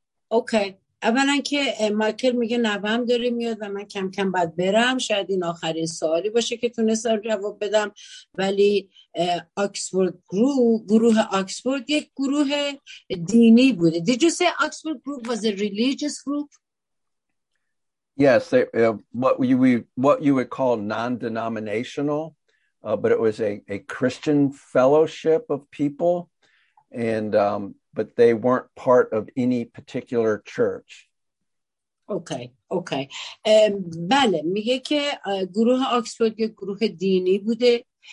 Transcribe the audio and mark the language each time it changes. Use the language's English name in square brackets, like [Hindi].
[Persian] Okay, اولا که مایکل میگه نوام داره میاد و من کم کم باید برم، شاید این آخرین سوالی باشه که تونستم جواب بدم. ولی آکسفورد گروه آکسفورد یک گروه دینی بوده. [English] Did you say Oxford Group was a religious group? Yes, what you would call non-denominational, but it was a Christian fellowship of people. And but they weren't part of any particular church. Okay. [Persian] بله، میگه که گروه آکسفورد یک گروه دینی بوده.